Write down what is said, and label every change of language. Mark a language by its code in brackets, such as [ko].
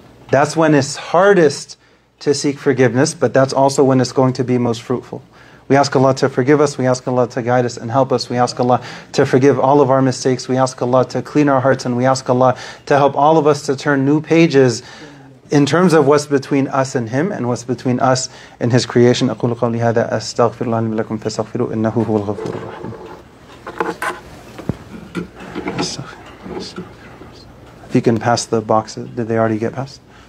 [en] That's when it's hardest to seek forgiveness, but that's also when it's going to be most fruitful. We ask Allah to forgive us. We ask Allah to guide us and help us. We ask Allah to forgive all of our mistakes. We ask Allah to clean our hearts, and we ask Allah to help all of us to turn new pages in terms of what's between us and Him and what's between us and His creation. [ar] أقول قولي هذا أستغفر الله لي ولكم فاستغفروه إنه هو الغفور الرحيم. [en] If you can pass the box, did they already get passed?